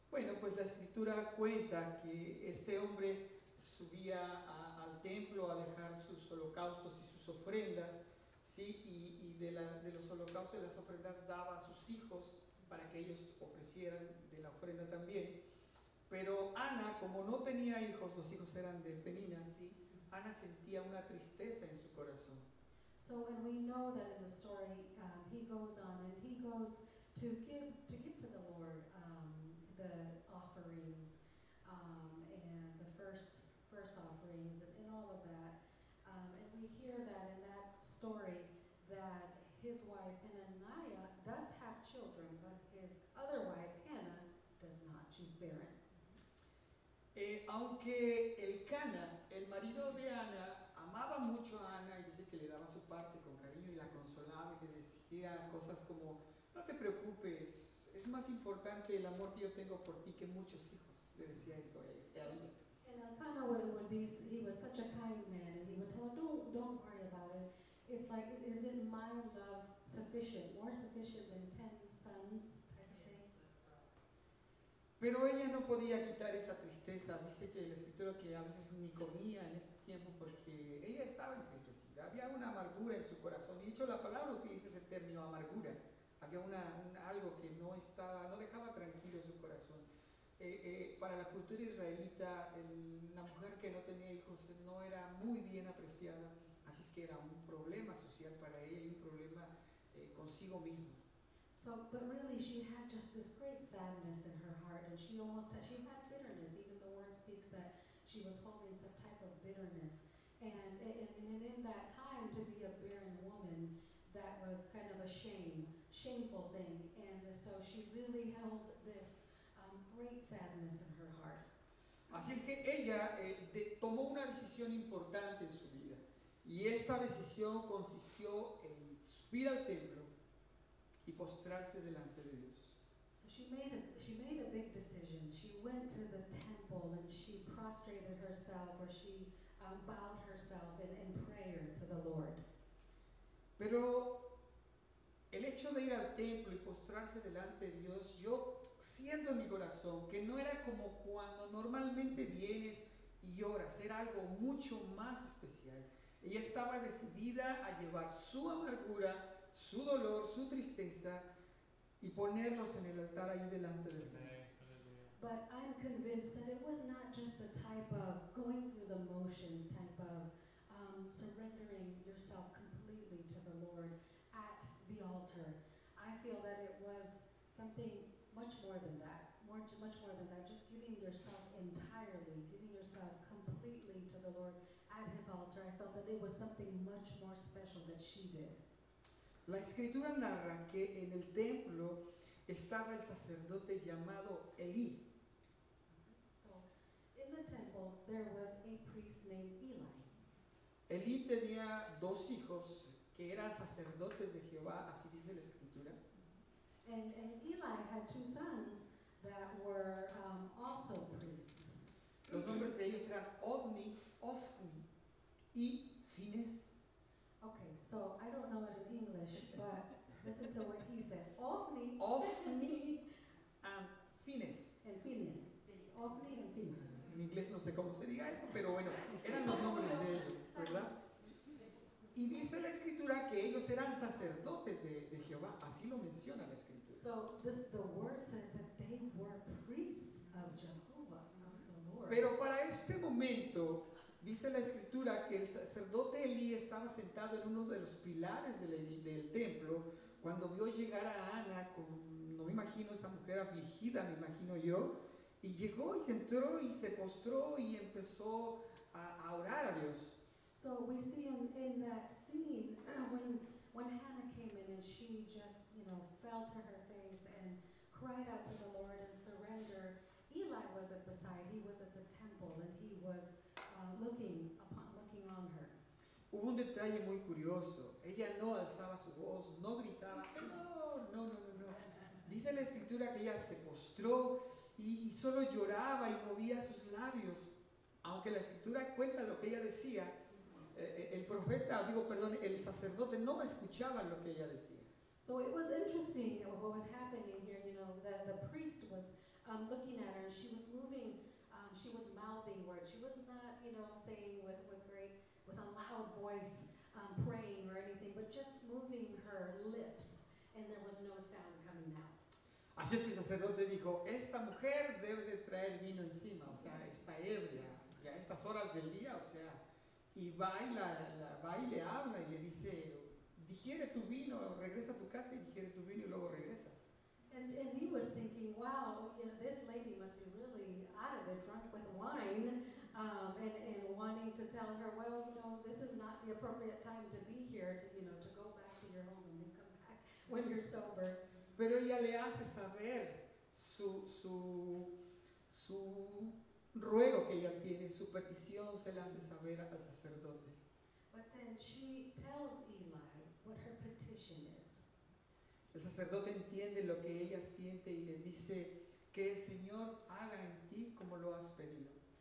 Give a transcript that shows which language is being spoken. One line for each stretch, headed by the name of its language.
Spanish: Bueno, pues la escritura cuenta que este hombre subía al templo a dejar sus holocaustos y sus ofrendas, ¿sí? Y de los holocaustos y las ofrendas daba a sus hijos para que ellos ofrecieran de la ofrenda también. Pero Ana, como no tenía hijos, los hijos eran de Penina, ¿sí? Ana sentía una tristeza en su corazón.
English: So when we know that in the story, he goes on and he goes to give to the Lord the offerings and the first offerings and all of that. And we hear that in that story that his wife Penaniah does have children, but his other wife Hannah does not. She's barren.
Spanish: Aunque Elcana, el marido de Ana, amaba mucho a Ana y dice que le daba su parte con cariño y la consolaba y le decía cosas como: no te preocupes, es más importante el amor que yo tengo por ti que muchos hijos, le decía eso a él.
English: And Elcana he was such a kind man, and he would tell her, don't worry about it. It's like, isn't my love sufficient, more sufficient than 10 sons, type of thing?
Spanish: Pero ella no podía quitar esa tristeza. Dice que la escritura que a veces ni comía en este tiempo porque ella estaba entristecida. Había una amargura en su corazón. Y dicho la palabra utiliza ese término, amargura. Había algo que no dejaba tranquilo su corazón. Para la cultura israelita, la mujer que no tenía hijos no era muy bien apreciada, así es que era un problema social para ella y un problema consigo misma.
English: So, but really she had just this great sadness in her heart, and she had bitterness. Even the word speaks that she was holding some type of bitterness. And in that time, to be a barren woman, that was kind of a shameful thing, and so she really held this great sadness in her heart.
Spanish: Así es que ella tomó una decisión importante en su vida, y esta decisión consistió en subir al templo y postrarse delante de Dios.
English: So she made a big decision. She went to the temple and she prostrated herself, or she bowed herself in prayer to the Lord.
Spanish: Pero el hecho de ir al templo y postrarse delante de Dios, yo siento en mi corazón que no era como cuando normalmente vienes y oras, era algo mucho más especial. Ella estaba decidida a llevar su amargura, su dolor, su tristeza y ponerlos en el altar ahí delante del Señor.
English: But I'm convinced that it was not just a type of going through the motions, type of surrendering yourself completely to the Lord at the altar. I feel that it was something much more than that, much more than that, just giving yourself entirely, giving yourself completely to the Lord at his altar. I felt that it was something much more special that she did.
Spanish: La escritura narra que en el templo estaba el sacerdote llamado Elí.
English: So, in the temple, there was a priest named Eli.
Spanish: Elí tenía dos hijos que eran sacerdotes de Jehová, así dice la escritura.
English: And Eli had two sons that were also priests.
Spanish: Los nombres de ellos eran Ofni, y Phinehas.
English: Okay, so I don't know that in English, but listen to what he said. Ofni and Phinehas. And Phinehas. Ofni and Phinehas.
Spanish: En inglés no sé cómo se diga eso, pero bueno, eran los nombres de ellos, ¿verdad? Y dice la escritura que ellos eran sacerdotes de Jehová, así lo menciona la escritura.
English: So the word says that they were priests of Jehovah, of the Lord.
Spanish: Pero para este momento, dice la escritura que el sacerdote Elí estaba sentado en uno de los pilares del templo cuando vio llegar a Ana con, no me imagino, esa mujer afligida, me imagino yo, y llegó y entró y se postró y empezó a orar a Dios.
English: So we see in that scene when Hannah came in and she just, you know, fell to her face and cried out to the Lord and surrender. Eli was at the side. He was at the temple and he was looking on her.
Spanish: Hubo un detalle muy curioso. Ella no alzaba su voz, no gritaba, no. Dice la escritura que ella se postró y solo lloraba y movía sus labios, aunque la escritura cuenta lo que ella decía. El sacerdote no escuchaba lo que ella decía.
English: So it was interesting what was happening here. You know, the priest was looking at her. She was moving. She was mouthing words. She was not, you know, saying with a loud voice praying or anything, but just moving her lips, and there was no sound coming out.
Spanish: Así es que el sacerdote dijo: esta mujer debe de traer vino encima, o sea, está ebria y a estas horas del día, o sea. Y va y le habla y le dice: digiere tu vino, regresa a tu casa y digiere tu vino y luego regresas.
English: And he was thinking, wow, you know, this lady must be really out of it, drunk with wine, and wanting to tell her, well, you know, this is not the appropriate time to be here, to, you know, to go back to your home and then come back when you're sober.
Spanish: Pero ella le hace saber su ruego que ella tiene, su petición se la hace saber al sacerdote.
English: But then she tells Eli what her petition is.
Spanish: El sacerdote entiende lo que ella siente y le dice que el Señor haga en ti como lo has pedido.